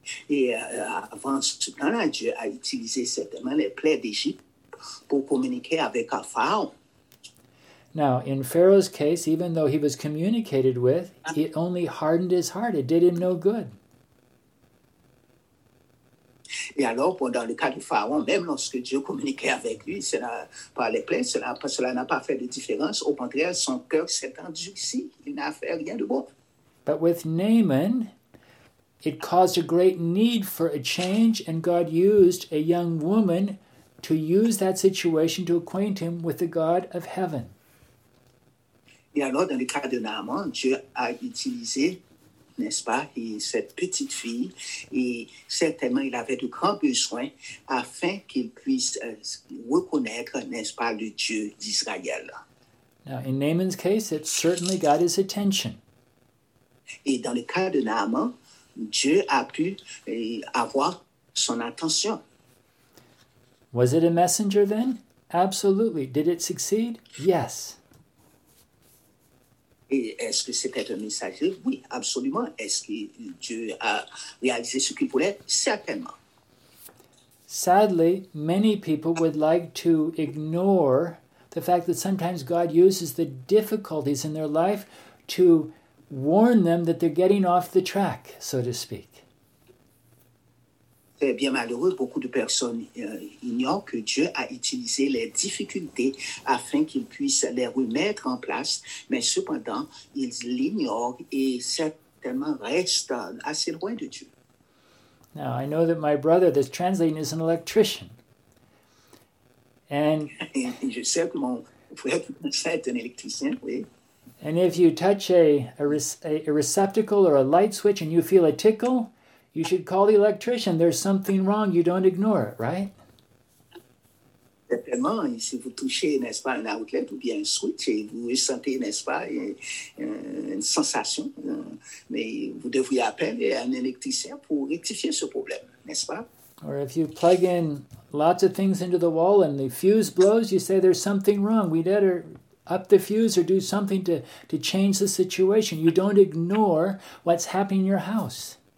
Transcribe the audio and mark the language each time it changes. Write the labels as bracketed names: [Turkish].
[French] Et avant ce temps-là, Dieu a utilisé certainement les plaies d'Égypte pour communiquer avec Pharaoh. [English] Now, in Pharaoh's case, even though he was communicated with, it only hardened his heart. It did him no good. [French] Et alors, pendant le cas du Pharaon, même lorsque Dieu communiquait avec lui, cela parlait plein, cela n'a pas fait de différence. Au contraire, son cœur s'est endurci. Il n'a fait rien de bon. [English] But with Naaman, it caused a great need for a change, and God used a young woman to use that situation to acquaint him with the God of heaven. [French] Et alors, dans le cas de Naaman, Dieu a utilisé, n'est-ce pas, et cette petite fille, et certainement il avait de grands besoins afin qu'il puisse reconnaître, n'est-ce pas, le Dieu d'Israël. [English] Now, in Naaman's case, it certainly got his attention. [French] Et dans le cas de Naaman, Dieu a pu avoir son attention. [English] Was it a messenger then? Absolutely. Did it succeed? Yes. [French] Est-ce que c'était un messager? Oui, absolument. Est-ce que Dieu a réalisé ce qu'il voulait? Certainement. [English] Sadly, many people would like to ignore the fact that sometimes God uses the difficulties in their life to warn them that they're getting off the track, so to speak. [French] C'est bien malheureux. Beaucoup de personnes ignorent que Dieu a utilisé les difficultés afin qu'ils puissent les remettre en place. Mais cependant, ils l'ignorent et certainement restent assez loin de Dieu. [English] Now, I know that my brother, this translating, is an electrician. And [French] je sais que mon frère est un électricien, oui. [English] And if you touch a receptacle or a light switch and you feel a tickle, you should call the electrician. There's something wrong. You don't ignore it, right? [French] Certainement, si vous touchez, n'est-ce pas, un outlet ou bien un switch, et vous ressentez, n'est-ce pas, une sensation, mais vous devriez appeler un électricien pour rectifier ce problème, n'est-ce pas? [English] Or if you plug in lots of things into the wall and the fuse blows, you say there's something wrong. We'd better up the fuse or do something to change the situation. You don't ignore what's happening in your house.